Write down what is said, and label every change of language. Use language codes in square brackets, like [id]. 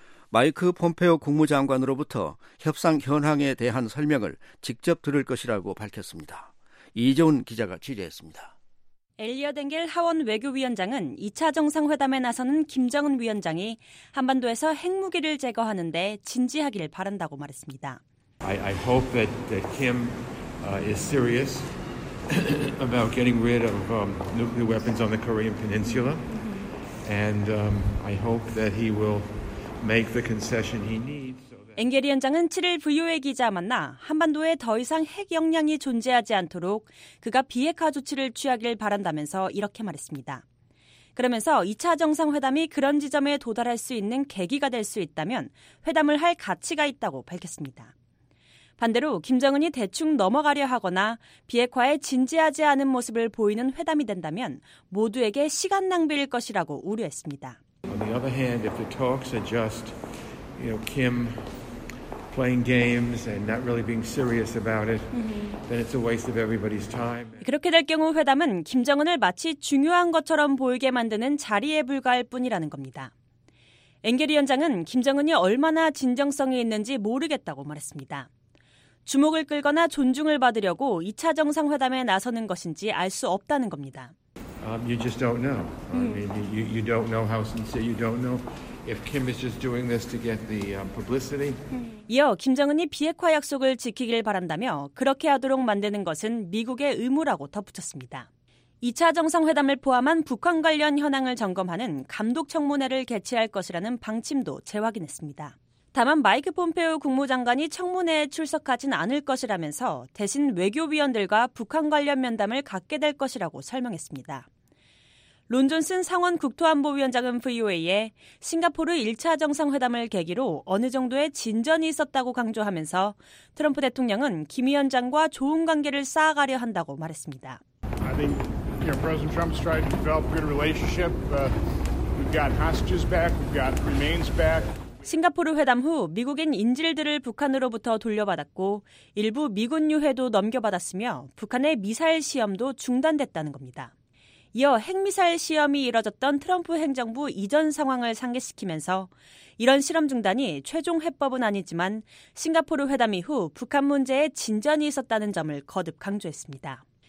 [ko] 마이크 폼페오 국무장관으로부터 협상 현황에 대한 설명을 직접 들을 것이라고 밝혔습니다. 이재훈 기자가 취재했습니다. 엘리엇 앵겔 하원 외교위원장은 2차 정상회담에 나서는 김정은 위원장이 한반도에서 핵무기를 제거하는 데 진지하기를 바란다고 말했습니다. [en] I hope that, Kim is serious about getting rid of nuclear weapons on the Korean Peninsula. And I hope that he will make the concession he needs. [ko] 앵겔 위원장은 7일 VOA 기자와 만나 한반도에 더 이상 핵 역량이 존재하지 않도록 그가 비핵화 조치를 취하길 바란다면서 이렇게 말했습니다. 그러면서 2차 정상회담이 그런 지점에 도달할 수 있는 계기가 될 수 있다면 회담을 할 가치가 있다고 밝혔습니다. 반대로 김정은이 대충 넘어가려 하거나 비핵화에 진지하지 않은 모습을 보이는 회담이 된다면 모두에게 시간 낭비일 것이라고 우려했습니다. [en] On the other hand, if the talks are just Kim playing games and not really being serious about it, then it's a waste of everybody's time. [ko] 그렇게 될 경우 회담은 김정은을 마치 중요한 것처럼 보이게 만드는 자리에 불과할 뿐이라는 겁니다. 앵겔 위원장은 김정은이 얼마나 진정성이 있는지 모르겠다고 말했습니다. 주목을 끌거나 존중을 받으려고 2차 정상회담에 나서는 것인지 알 수 없다는 겁니다. [en] You just don't know. You don't know how sincere. You don't know if Kim is just doing this to get the publicity. [ko] 이어 김정은이 비핵화 약속을 지키길 바란다며 그렇게 하도록 만드는 것은 미국의 의무라고 덧붙였습니다. 2차 정상회담을 포함한 북한 관련 현황을 점검하는 감독 청문회를 개최할 것이라는 방침도 재확인했습니다. 다만 마이크 폼페오 국무장관이 청문회에 출석하진 않을 것이라면서 대신 외교위원들과 북한 관련 면담을 갖게 될 것이라고 설명했습니다. 론 존슨 상원 국토안보위원장은 VOA에 싱가포르 1차 정상회담을 계기로 어느 정도의 진전이 있었다고 강조하면서 트럼프 대통령은 김 위원장과 좋은 관계를 쌓아가려 한다고 말했습니다. [en] I think President Trump's trying to develop a good relationship. We've got hostages back. We've got remains back. [ko] 싱가포르 회담 후 미국인 인질들을 북한으로부터 돌려받았고 일부 미군 유해도 넘겨받았으며 북한의 미사일 시험도 중단됐다는 겁니다. 이어 핵미사일 시험이 이뤄졌던 트럼프 행정부 이전 상황을 상기시키면서 이런 실험 중단이 최종 해법은 아니지만 싱가포르 회담 이후 북한 문제에 진전이 있었다는 점을 거듭 강조했습니다.